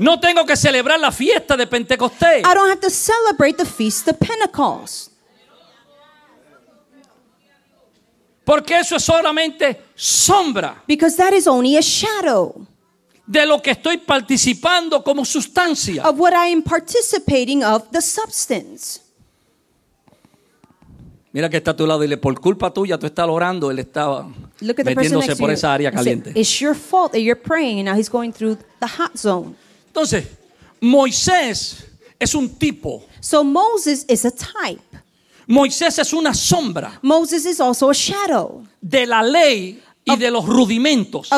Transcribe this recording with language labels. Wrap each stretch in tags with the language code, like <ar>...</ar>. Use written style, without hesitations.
<es>no tengo que celebrar la fiesta de Pentecostés.</es> <en>I don't have to celebrate the feast of Pentecost.</en> <es>Porque eso es solamente sombra.</es> <en>Because that is only a shadow.</en> <es>De lo que estoy participando como sustancia.</es> <en>Of what I am participating of, the substance.</en> <es>Mira que está a tu lado y le por culpa tuya tú estás orando, él estaba metiéndose por esa área caliente.</es> <en>It's your fault that you're praying and now he's going through the hot zone.</en> <es>Entonces, Moisés es un tipo.</es> <en>So Moses is a type.</en> <es>Moisés es una sombra.</es> <en>Moses is also a shadow.</en> <es>De la ley y de los rudimentos.</es>